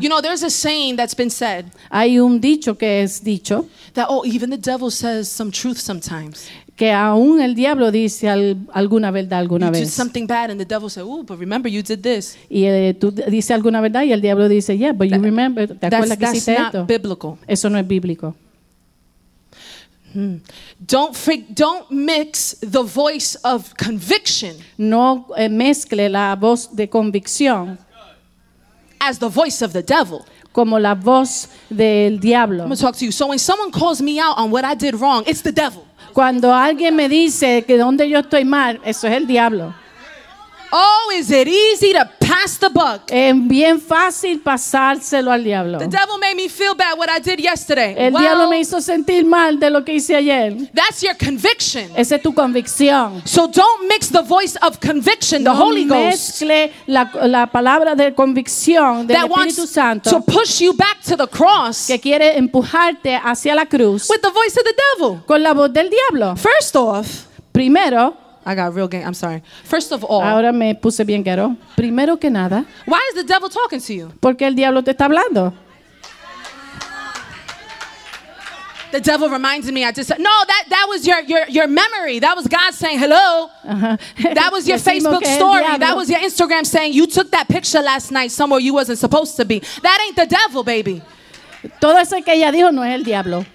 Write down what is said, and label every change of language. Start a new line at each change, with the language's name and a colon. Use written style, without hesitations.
English: You know, there's a saying that's been said.
Spanish: Hay un dicho que es dicho.
English: That, oh, even the devil says some truth sometimes.
Spanish: Que aún el diablo dice alguna verdad alguna vez.
English: You did something bad and the devil said, "Ooh, but remember you did this."
Spanish: Y tú dices alguna verdad y el diablo dice,
English: "Yeah, but you remember,
Spanish: ¿te acuerdas que hiciste esto?"
English: That's not biblical.
Spanish: Eso no es bíblico.
English: Don't mix the voice of conviction.
Spanish: No mezcle la voz de convicción
English: as the voice of the devil.
Spanish: Como la voz del diablo.
English: I'm going to talk to you. So when someone calls me out on what I did wrong, it's the devil.
Spanish: Cuando alguien me dice que donde yo estoy mal, eso es el diablo.
English: Oh, is it easy to pass the buck?
Spanish: Es bien fácil pasárselo al diablo.
English: The devil made me feel bad what I did yesterday.
Spanish: El well, diablo me hizo sentir mal de lo que hice ayer.
English: That's your conviction.
Spanish: Esa es tu convicción.
English: So don't mix the voice of conviction,
Spanish: no
English: the Holy Ghost.
Spanish: No mezcle la palabra de convicción del Espíritu Santo.
English: To push you back to the cross.
Spanish: Que quiere empujarte hacia la cruz.
English: With the voice of the devil.
Spanish: Con la voz del diablo.
English: First off.
Spanish: Primero.
English: I got real game. I'm sorry. First of all.
Spanish: Ahora me puse bien ghetto. Primero que nada.
English: Why is the devil talking to you?
Spanish: Porque el diablo te está hablando.
English: The devil reminds me. I just said, no, that was your memory. That was God saying hello. Uh-huh. That was your Facebook story. That was your Instagram saying you took that picture last night somewhere you wasn't supposed to be. That ain't the devil, baby.
Spanish: Todo eso que ella dijo no es el diablo.